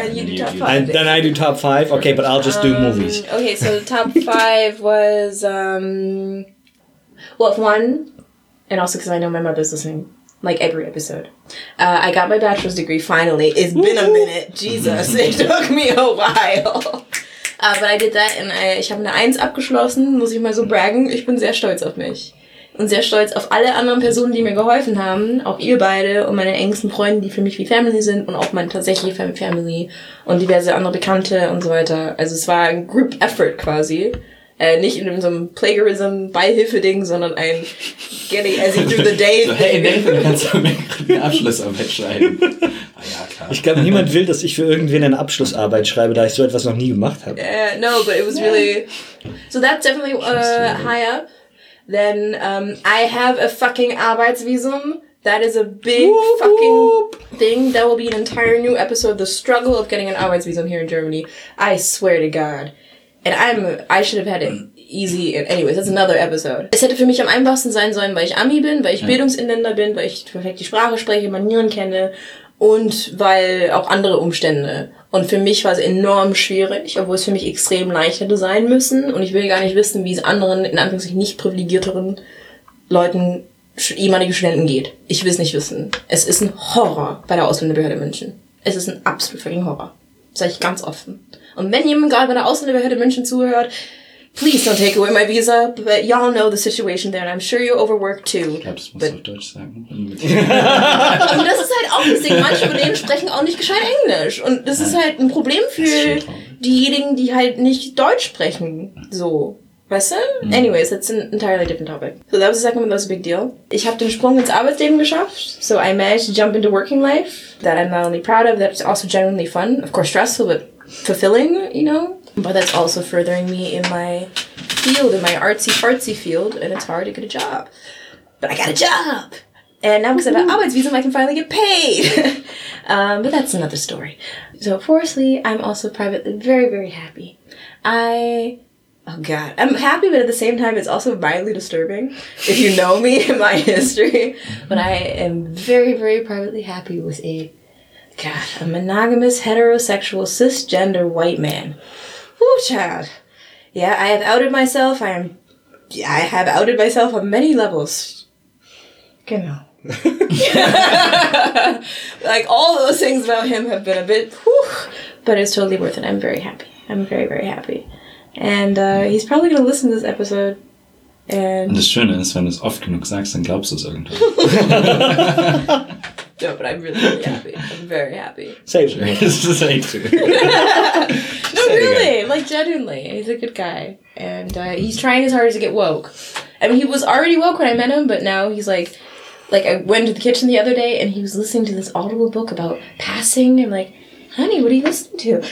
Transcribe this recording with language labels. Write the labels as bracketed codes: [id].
[en] And you do Top 5. And then I do Top 5. Okay, but I'll just do movies. Okay, so Top 5 was... Well, one, and also because I know my mother's listening, like, every episode. I got my bachelor's degree, finally. It's been a minute. Jesus, it took me a while. But I did that, and [de] ich habe eine 1 abgeschlossen, muss ich mal so braggen. Ich bin sehr stolz auf mich. Und sehr stolz auf alle anderen Personen, die mir geholfen haben. Auch ihr beide und meine engsten Freunde, die für mich wie Family sind. Und auch meine tatsächliche Family und diverse andere Bekannte und so weiter. Also es war ein Group Effort quasi. Nicht in so einem Plagiarism-Beihilfe-Ding, sondern ein [en] Getting as you do the day. [de] So, hey, Nathan, kannst du mir einen Abschlussarbeit schreiben? Ah, ja, klar. Ich glaube, niemand will, dass ich für irgendwen eine Abschlussarbeit schreibe, da ich so etwas noch nie gemacht habe. [en] No, but it was really... So that's definitely higher than I have a fucking Arbeitsvisum. That is a big thing. That will be an entire new episode, the struggle of getting an Arbeitsvisum here in Germany. I swear to God. And I should have had it easy. Anyways, that's another episode. [de] Es hätte für mich am einfachsten sein sollen, weil ich Ami bin, weil ich Bildungsinländer bin, weil ich perfekt die Sprache spreche, Manieren kenne und weil auch andere Umstände. Und für mich war es enorm schwierig, obwohl es für mich extrem leicht hätte sein müssen. Und ich will gar nicht wissen, wie es anderen, in Anführungszeichen nicht privilegierteren Leuten ehemalige Studenten geht. Ich will es nicht wissen. Es ist ein Horror bei der Ausländerbehörde München. Es ist ein absolut fucking Horror. Sag ich ganz offen. Und wenn jemand gerade bei der Ausländerbehörde München zuhört, [en] please don't take away my visa, but y'all know the situation there and I'm sure you're overworked too. [de] Ich glaube, das muss auf Deutsch sagen. Und das ist halt auch das Ding. Manche von denen sprechen auch nicht gescheit Englisch. Und das ist halt ein Problem für diejenigen, die halt nicht Deutsch sprechen. So. Weißt du? [en] Anyways, that's an entirely different topic. So that was the second one, that was a big deal. [de] Ich habe den Sprung ins Arbeitsleben geschafft. [en] So I managed to jump into working life. That I'm not only proud of, that's also genuinely fun. Of course stressful, but fulfilling, you know? But that's also furthering me in my field, in my artsy-fartsy field, and it's hard to get a job. But I got a job! And now because I have an Arbeitsvisum, I can finally get paid! but that's another story. So, fourthly, I'm also privately very, very happy. I'm happy, but at the same time, it's also mildly disturbing, if you know me and my history. But I am very, very privately happy with a monogamous, heterosexual, cisgender white man. Ooh, child. Yeah, I have outed myself. I have outed myself on many levels. [de] Genau. [en] Like, all those things about him have been a bit, whew, but it's totally worth it. I'm very happy. I'm very, very happy. And he's probably going to listen to this episode. And [de] das Schöne ist, wenn du es oft genug sagst, dann glaubst du es irgendwann. [en] No, but I'm really, really happy. I'm very happy. Same true. It's the same true. No, really. Like, genuinely. He's a good guy. And he's trying his hardest to get woke. I mean, he was already woke when I met him, but now he's like, I went to the kitchen the other day, and he was listening to this Audible book about passing, and like, honey, what are you listening to?